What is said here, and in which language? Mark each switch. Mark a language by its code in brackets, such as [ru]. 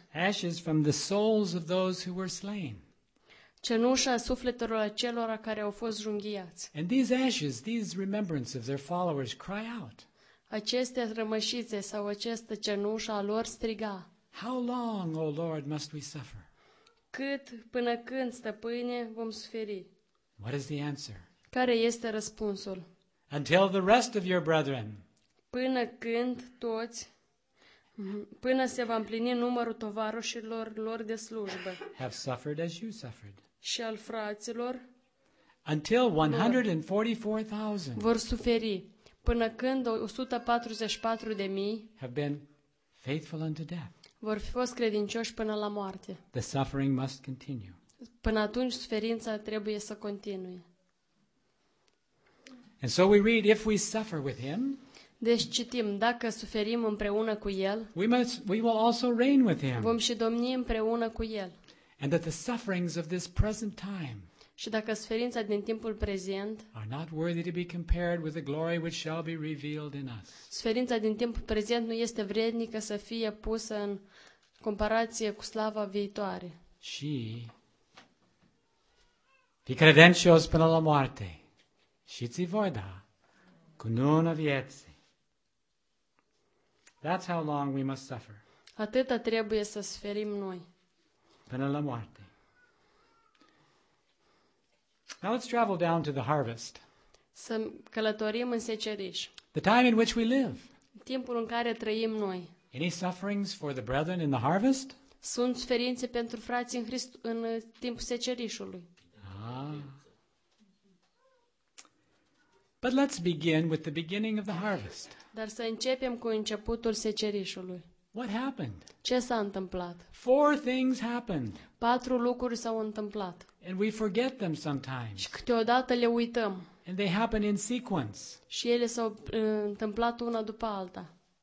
[en] Ashes from the souls of those who were slain. [ro] Cenușa sufletelor celor care au fost junghiați. [en] And these ashes, these remembrances of their followers cry out. [ro] Aceste rămășițe sau această cenușă a lor striga. [en] How long, O Lord, must we suffer? [ro] Cât, până când, Stăpâne, vom suferi? [en] What is the answer? [ro] Care este răspunsul? [en] Until the rest of your brethren. [ro] Până când toți, până se va împlini numărul tovarășilor lor de slujbă. [en] Have suffered as you suffered. [ro] Și al fraților. [en] Until 144,000. [ro] Vor suferi. Până când 144.000 [en] have been faithful unto death. [ro] Vor fi fost credincioși până la moarte. [en] The suffering must continue. [ro] Până atunci suferința trebuie să continue. [en] And so we read, if we suffer with him, [ro] deci citim, dacă suferim împreună cu el, [en] we will also reign with him. [ro] Vom și domni împreună cu el. [en] And that the sufferings of this present time, [ro] și dacă suferința din timpul prezent, [en] are not worthy to be compared with the glory which shall be revealed in us. [ro] Suferința din timpul prezent nu este vrednică să fie pusă în comparație cu slava viitoare. Și fi credincios până la moarte și ți voi da cununa vieții. [en] That's how long we must suffer. [ro] Atâta trebuie să suferim noi. Până la moarte. [en] Now let's travel down to the harvest. [ro] Să călătorim în seceriș. [en] The time in which we live. [ro] Timpul în care trăim noi. [en] Any sufferings for the brethren in the harvest? [ro] Sunt suferințe pentru frații în Hristos în timpul secerișului. Ah. [en] But let's begin with the beginning of the harvest. [ro] Dar să începem cu începutul secerișului. [en] What happened? [ro] Ce s-a întâmplat? [en] Four things happened. [ro] Patru lucruri s-au întâmplat. [en] And we forget them sometimes. [ro] Și câteodată le uităm. [en] And they happen in sequence. [ro] Și ele s-au întâmplat una după alta.